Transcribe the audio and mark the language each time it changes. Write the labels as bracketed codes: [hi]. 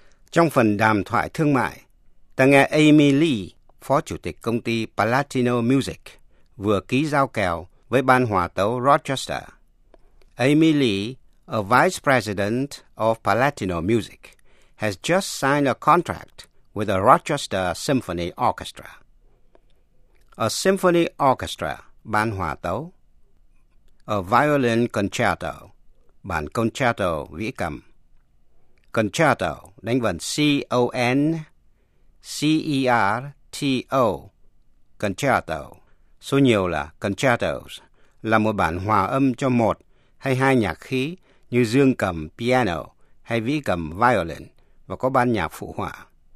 [vi] Trong phần đàm thoại thương mại, ta nghe Amy Lee, phó chủ tịch công ty Palatino Music, vừa ký giao kèo với ban hòa tấu Rochester. [en] Amy Lee, a vice president of Palatino Music, has just signed a contract with the Rochester Symphony Orchestra. A symphony orchestra, [vi] ban hòa tấu. [en] A violin concerto, [vi] bản concerto vĩ cầm. Concerto, đánh vần C-O-N-C-E-R-T-O, concerto, số nhiều là concertos, là một bản hòa âm cho một hay hai nhạc khí như dương cầm piano hay vĩ cầm violin và có ban nhạc phụ họa.